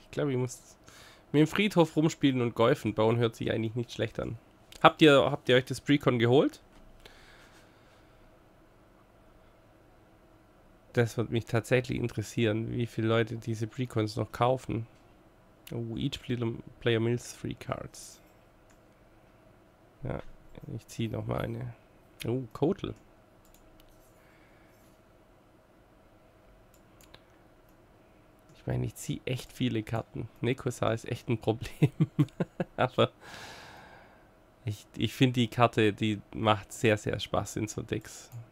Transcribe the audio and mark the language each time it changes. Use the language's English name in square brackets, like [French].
[German] Ich glaube, ich muss mit dem Friedhof rumspielen und Golfen bauen. Hört sich eigentlich nicht schlecht an. Habt ihr euch das Precon geholt? Das würde mich tatsächlich interessieren, wie viele Leute diese Precons noch kaufen. [English] Oh, each player mills three cards. [German] Ja, ich ziehe noch mal eine. Oh, Kotl. Ich meine, ich ziehe echt viele Karten. Nekusar ist echt ein Problem. Aber ich finde die Karte, die macht sehr, sehr Spaß in so Decks.